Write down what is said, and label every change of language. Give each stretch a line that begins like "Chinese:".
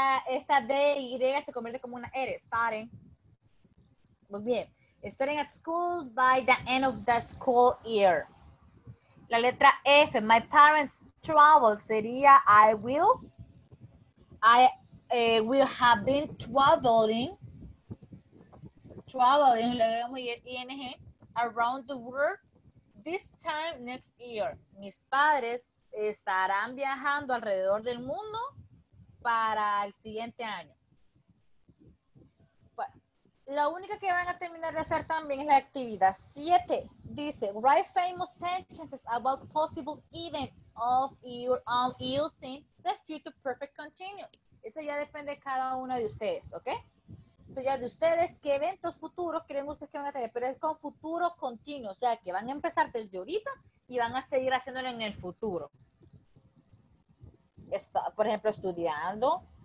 Spanish: Esta D y Y se convierte como una R.
English: Starting.
Spanish: Muy bien.
English: Starting at school by the end of the school year.
Spanish: La letra F.
English: My parents travel
Spanish: sería
English: I will have been traveling
Spanish: le agregamos
English: ing around the world this time next year.
Spanish: Mis padres estarán viajando alrededor del mundo para el siguiente año. La única que van a terminar de hacer también es la actividad 7. Dice,
English: write famous sentences about possible events of your own using the future perfect continuous.
Spanish: Eso ya depende de cada uno de ustedes, ¿ok? Eso ya de ustedes, ¿qué eventos futuros creen ustedes que van a tener? Pero es con futuro continuo, o sea, que van a empezar desde ahorita y van a seguir haciéndolo en el futuro. Está, por ejemplo, estudiando.